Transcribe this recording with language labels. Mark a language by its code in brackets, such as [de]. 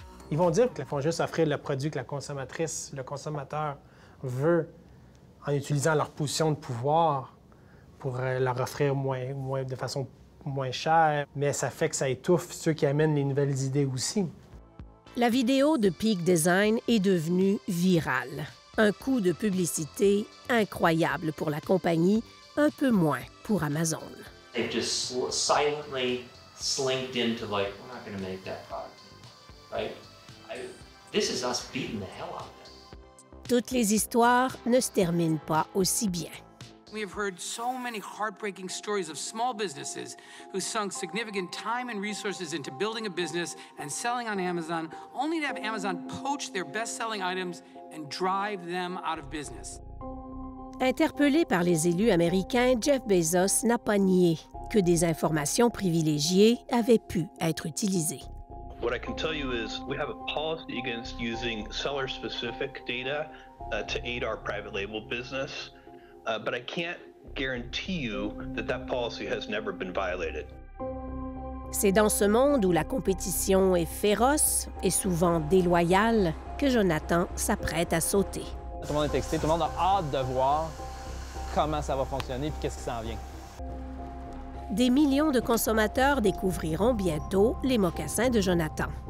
[fr] Ils vont dire qu'ils font juste offrir le produit que la consommatrice, le consommateur veut en utilisant leur position de pouvoir pour leur offrir de façon moins cher, mais ça fait que ça étouffe ceux qui amènent les nouvelles idées aussi. La vidéo de Peak Design est devenue virale. Un coût de publicité incroyable pour la compagnie, un peu moins pour Amazon. [en] They've just silently slinked into like, we're not going to make that product. This is us beating the hell out of them. [fr] Toutes les histoires ne se terminent pas aussi bien. [en] We have heard so many heartbreaking stories of small businesses who sunk significant time and resources into building a business and selling on Amazon, only to have Amazon poach their best-selling items and drive them out of business. [fr] Interpellé par les élus américains, Jeff Bezos n'a pas nié que des informations privilégiées avaient pu être utilisées. [en] What I can tell you is we have a policy against using seller-specific data to aid our private label business. But I can't guarantee you that that policy has never been violated. [fr] C'est dans ce monde où la compétition est féroce et souvent déloyale que Jonathan s'apprête à sauter. Tout le monde est excité, tout le monde a hâte de voir comment ça va fonctionner puis qu'est-ce qui s'en vient. Des millions de consommateurs découvriront bientôt les mocassins de Jonathan.